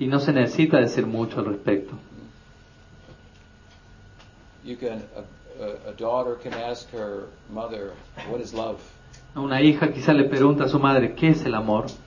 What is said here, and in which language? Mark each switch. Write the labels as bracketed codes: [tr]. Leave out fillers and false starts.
[es] Y no se necesita decir mucho al respecto. [en] You can a daughter can ask her mother, what is love? [es] Una hija quizá le pregunta a su madre, ¿qué es el amor?